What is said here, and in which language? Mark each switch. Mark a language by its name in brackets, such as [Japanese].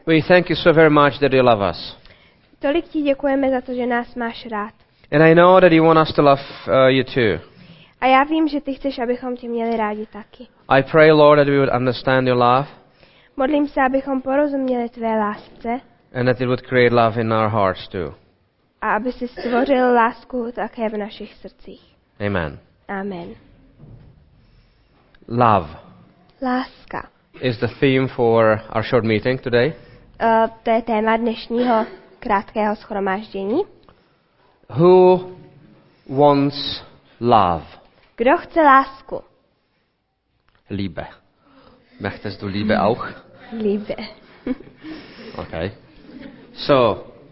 [English] we thank you so very much that you love us. [Czech] Tolik ti děkujeme za to, že nás máš rád. [English] And I know that you want us to love you too. [Czech] A já vím, že ty chceš, abychom tě měli rádi taky. [English] I pray, Lord, that we would understand your love. [Czech] Modlím se, abychom porozuměli tvé lásce. [English] And that it would create love in our hearts too. [Czech] A aby jsi stvořil lásku také v našich srdcích. [English] Amen. [Czech] Amen. [English] Love. [Czech] Láska. [English] Is the theme for our short meeting today? [Czech] To je téma dnešního krátkého shromáždění. [English] Who wants love? [Czech] Kdo chce lásku? [German] Liebe. Möchtest du Liebe auch? Liebe. [English] Okay. So.